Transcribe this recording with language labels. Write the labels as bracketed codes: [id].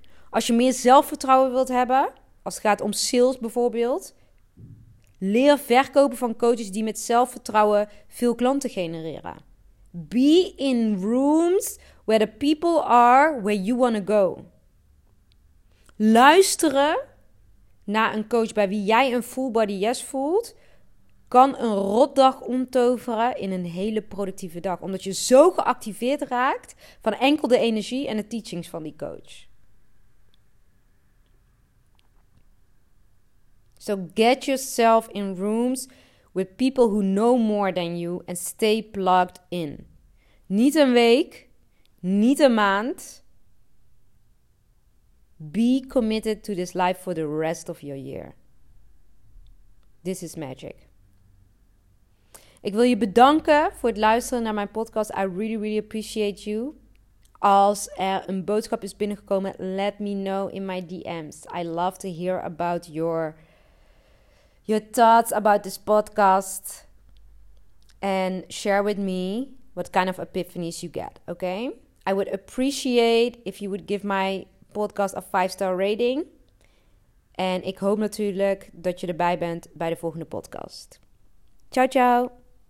[nl] Als je meer zelfvertrouwen wilt hebben, als het gaat om sales bijvoorbeeld, leer verkopen van coaches die met zelfvertrouwen veel klanten genereren. [en] Be in rooms where the people are where you want to go. [nl] Luisteren naar een coach bij wie jij een full body yes voelt, kan een rotdag omtoveren in een hele productieve dag. Omdat je zo geactiveerd raakt van enkel de energie en de teachings van die coach. [en] So get yourself in rooms with people who know more than you and stay plugged in. [nl] Niet een week, niet een maand. [en] Be committed to this life for the rest of your year. This is magic. [nl] Ik wil je bedanken voor het luisteren naar mijn podcast. [en] I really, really appreciate you. [nl] Als er een boodschap is binnengekomen, [en] let me know in my DM's. I love to hear about your thoughts about this podcast. And share with me what kind of epiphanies you get, okay? I would appreciate if you would give my podcast a 5-star rating. [nl] En ik hoop natuurlijk dat je erbij bent bij de volgende podcast. Ciao, ciao!